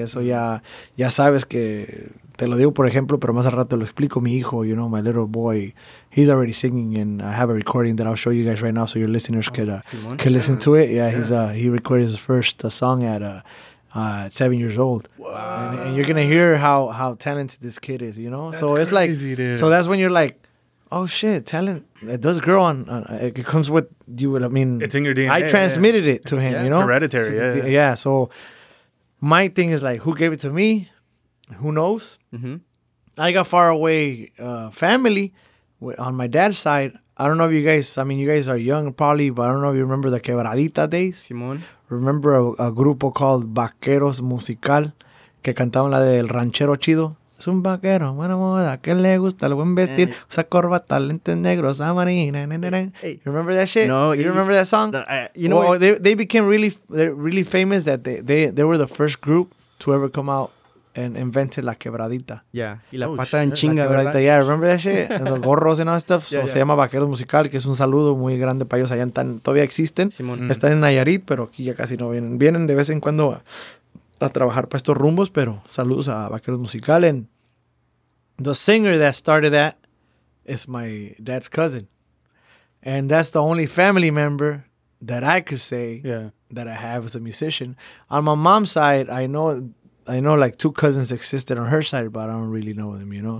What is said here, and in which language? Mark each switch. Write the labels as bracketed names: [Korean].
[Spanish] Eso ya sabes que te lo digo por ejemplo, pero más al rato lo explico. Mi hijo, [English] you know, my little boy, he's already singing, and I have a recording that I'll show you guys right now, so your listeners can listen to it. Yeah, he's he recorded his first song at 7 years old. Wow! And you're gonna hear how talented this kid is, you know. That's so it's crazy, like, dude. So that's when you're like, oh shit, talent. It does grow on. It comes with you. I mean, it's in your DNA. I transmitted it to him. Yeah, you know, it's hereditary. It's yeah. So my thing is like, who gave it to me? Who knows? Mm-hmm. I got far away family on my dad's side. I don't know if you guys. I mean, you guys are young probably, but I don't know if you remember the Quebradita days. [Spanish] Simón, [English] remember a grupo called Vaqueros Musical [Spanish] que cantaban la del Ranchero Chido. Es un vaquero, buena moda, que le gusta, lo buen vestir, usa corbata, lentes negros, amarillo. [English] You remember that shit? No, you remember that song? You know, well, they became really famous that they were the first group to ever come out and invented la quebradita. [Spanish] Yeah, y la pata en chinga, la quebradita. ¿Verdad? [English] Yeah, remember that shit? And the gorros and all that stuff. [Spanish] So se llama Vaqueros Musical, que es un saludo muy grande para ellos. Allá están, todavía existen. Simón. Están en Nayarit, pero aquí ya casi no vienen. Vienen de vez en cuando a trabajar para estos rumbos, pero saludos a Vaqueros Musical. [English] And the singer that started that is my dad's cousin. And that's the only family member that I could say that I have as a musician. On my mom's side, I know like two cousins existed on her side, but I don't really know them, you know?